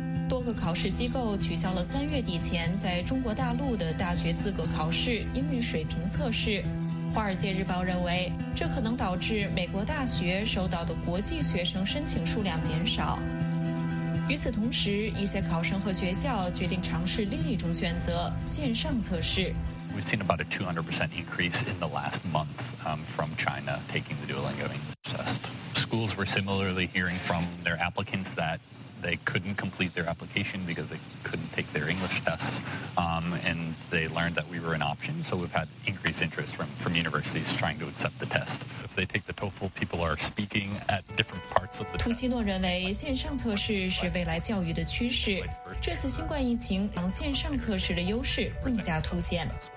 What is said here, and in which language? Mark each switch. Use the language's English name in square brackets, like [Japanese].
[Chinese] 多个考试机构取消了3月底前在中国大陆的大学资格考试英语水平测试。华尔街日报认为，这可能导致美国大学收到的国际学生申请数量减少。与此同时，一些考生和学校决定尝试另一种选择，线上测试。 [English] We've seen about a 200% increase in the last month, from China taking the Duolingo English test. Schools were similarly hearing from their applicants that they couldn't complete their application because they couldn't take their English tests. And they learned that we were an option. So we've had increased interest from universities trying to accept the test. If they take the TOEFL, people are speaking at different parts of the test. [Chinese] 图西诺认为线上测试是未来教育的趋势。这次新冠疫情让线上测试的优势更加凸显。